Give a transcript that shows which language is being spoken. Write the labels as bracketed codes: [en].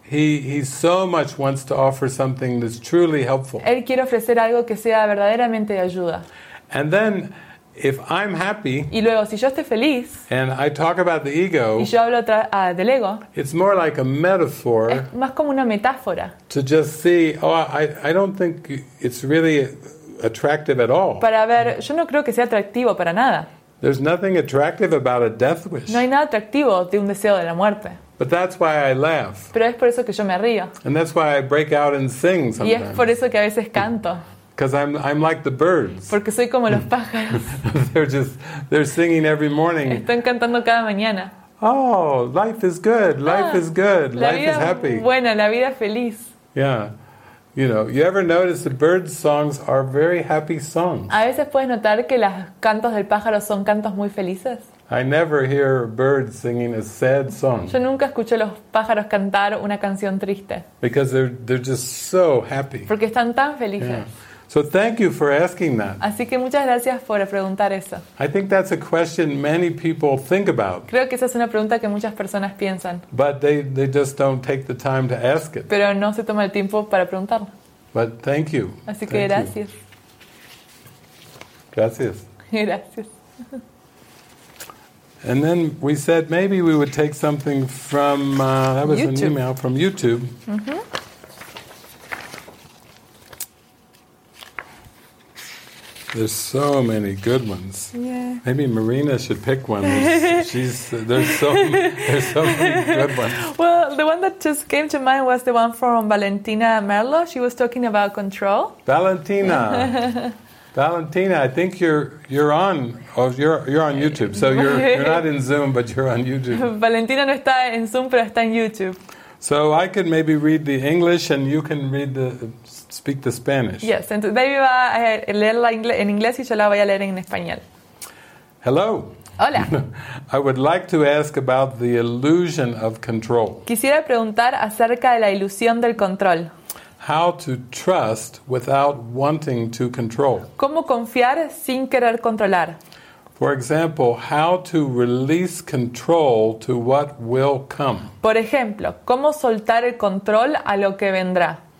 [en] He so much wants to offer something that's truly helpful. [es] Él quiere ofrecer algo que sea verdaderamente de ayuda. [en] And then, if I'm happy, [es] y luego, si yo estoy feliz, [en] and I talk about the ego, [es] y yo hablo del ego, [en] it's more like a metaphor. [es] Es más como una metáfora. [en] To just see, oh, I don't think it's really attractive at all. [es] Para ver, yo no creo que sea atractivo para nada. [en] There's nothing attractive about a death wish. [es] No hay nada atractivo de un deseo de la muerte. [en] But that's why I laugh. [es] Pero es por eso que yo me río. [en] And that's why I break out and sing sometimes. [es] Y es por eso que a veces canto. [en] Because I'm like the birds. [es] Porque soy como los pájaros. [en] They're singing every morning. [es] Están cantando cada mañana. [en] Oh, life is good. Life is good. Life is happy. [es] Buena, la vida feliz. [en] Yeah. You know, you ever notice that bird songs are very happy songs? [es] A veces puedes notar que los cantos del pájaro son cantos muy felices. [en] I never hear birds singing a sad song. [es] Yo nunca escucho a los pájaros cantar una canción triste. [en] Because they're just so happy. [es] Porque están tan felices. Yeah. [en] So thank you for asking that. [es] Así que muchas gracias por preguntar eso. [en] I think that's a question many people think about. [es] Creo que esa es una pregunta que muchas personas piensan. [en] But they just don't take the time to ask it. [es] Pero no se toma el tiempo para preguntarlo. [en] But thank you. [es] Así que [en] thank [es] gracias. Gracias. Gracias. [en] And then we said maybe we would take something from, that was YouTube. An email from YouTube. Mm-hmm. There's so many good ones. Yeah. Maybe Marina should pick one. There's so many good ones. Well, the one that just came to mind was the one from Valentina Merlo. She was talking about control. Valentina. Valentina, I think you're on. Oh, you're on YouTube. So you're not in Zoom, but you're on YouTube. [es] Valentina no está en Zoom, pero está en YouTube. [en] So I can maybe read the English and you can read the speak the Spanish. Yes, and [es] David va a leer la en inglés y yo la voy a leer en español. [en] Hello. [es] Hola. [en] I would like to ask about the illusion of control. [es] Quisiera preguntar acerca de la ilusión del control. [en] How to trust without wanting to control. [es] ¿Cómo confiar sin querer controlar? [en] For example, how to release control to what will come. [es] Por ejemplo, ¿cómo soltar el control a lo que vendrá?